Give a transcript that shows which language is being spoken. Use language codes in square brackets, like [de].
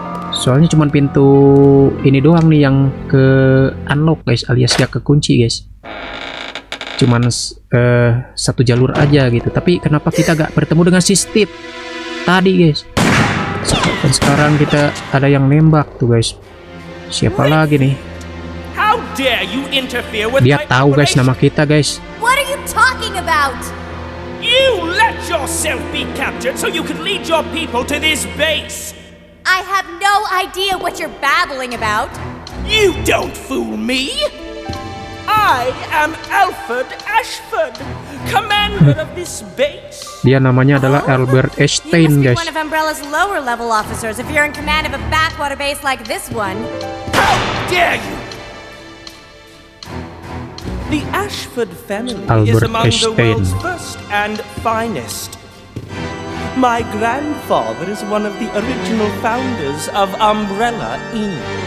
[id] Soalnya cuma pintu ini doang nih yang ke unlock, guys, alias gak kekunci, guys. Cuman satu jalur aja gitu. Tapi kenapa kita gak bertemu dengan si Steve tadi, guys? Dan sekarang kita ada yang nembak tuh, guys. Siapa lagi nih? [en] How dare you interfere with my [id] Dia tahu, guys, nama kita, guys. [en] What are you talking about? You let yourself be captured so you can lead your people to this base. I have no idea what you're babbling about. You don't fool me. I am Alfred Ashford, commander of this base. [id] Dia namanya adalah Albert Einstein, guys. [en] You must be one of Umbrella's lower level officers if you're in command of a backwater base like this one. How dare you? The Ashford family [id] Albert [en] is among [id] Einstein. [en] The world's first and finest. My grandfather is one of the original founders of Umbrella Inc.